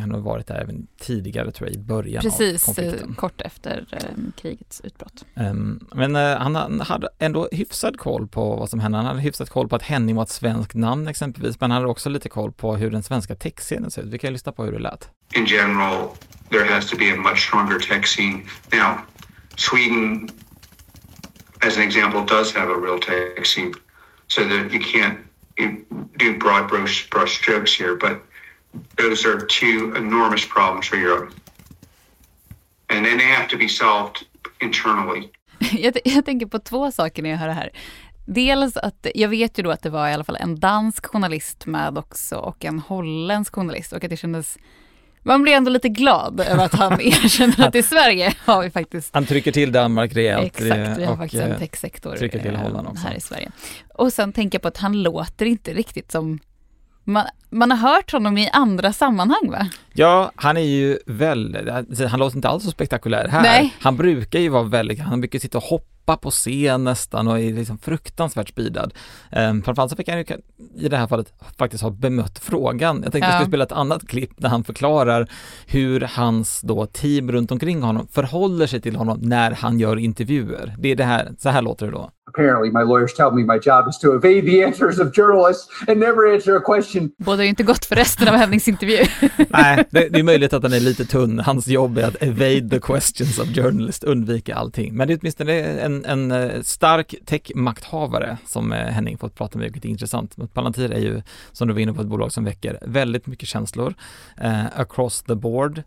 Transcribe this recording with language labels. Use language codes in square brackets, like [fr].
[sv] Han har varit där även tidigare, tror jag, i början precis, av konflikten. Kort efter krigets utbrott. Men han hade ändå hyfsad koll på vad som hände. Han hade hyfsat koll på att Henning var ett svenskt namn exempelvis, men han hade också lite koll på hur den svenska tech-scenen ser ut. Vi kan lyssna på hur det lät. [en] In general, there has to be a much stronger tech scene. Now, Sweden, as an example, does have a real tech scene, so that you can't do broad brush strokes here, but those are two enormous problems for Europe. And then they have to be solved internally. [sv] Jag tänker på två saker när jag hör det här. Dels att jag vet ju då att det var i alla fall en dansk journalist med också och en holländsk journalist, och att det kändes, man blir ändå lite glad över att han erkänner att i Sverige har vi faktiskt... Han trycker till Danmark rejält. Exakt, vi har faktiskt en techsektor trycker till Holland också här i Sverige. Och sen tänker jag på att han låter inte riktigt som... Man har hört honom i andra sammanhang, va? Ja, han är ju väldigt... Han låter inte alls så spektakulär här. Nej. Han brukar ju vara väldigt... Han brukar sitta och hoppa på scen nästan och är liksom fruktansvärt speedad. Framförallt så fick han ju i det här fallet faktiskt ha bemött frågan. Jag tänkte att vi skulle spela ett annat klipp när han förklarar hur hans då team runt omkring honom förhåller sig till honom när han gör intervjuer. Det är det här. Så här låter det då. [en] Apparently my lawyers tell me my job is to evade the answers of journalists and never answer a question. [sv] Både har ju inte gått för resten av Hennings intervju. Nej, det är möjligt att han är lite tunn. Hans jobb är att [en] evade the questions of journalists, [sv] undvika allting. Men åtminstone är en stark tech-makthavare som Henning fått prata med, vilket är intressant. Palantir är ju, som du var inne på, ett bolag som väcker väldigt mycket känslor [en] across the board.